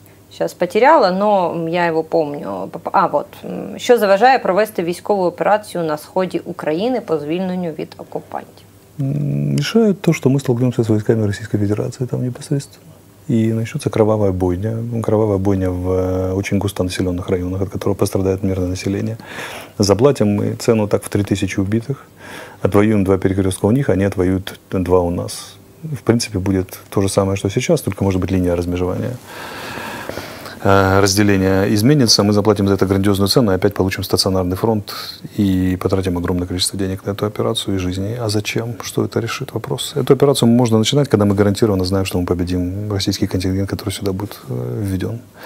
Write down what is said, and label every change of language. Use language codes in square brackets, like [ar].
[ru] Сейчас потеряла, но я его помню. А, вот. [uk] Що заважає провести військову операцію на сході України по звільненню від окупантів? Мішає то, що ми столкнемося з військами Російської Федерації там [ru] непосредственно. [uk] І почнеться кровава бойня. Кровава бойня в дуже густонаселених районах, від якого пострадає мирне населення. Заплатимо ми ціну так в 3 тисячі вбитих. Отвоюємо два перекрестка у них, а вони отвоюють два у нас. В принципі, буде те ж саме, що зараз, тільки може бути лінія розмежування. [ru] разделение изменится, мы заплатим за это грандиозную цену и опять получим стационарный фронт и потратим огромное количество денег на эту операцию и жизни. А зачем? Что это решит вопрос? Эту операцию можно начинать, когда мы гарантированно знаем, что мы победим российский контингент, который сюда будет введен.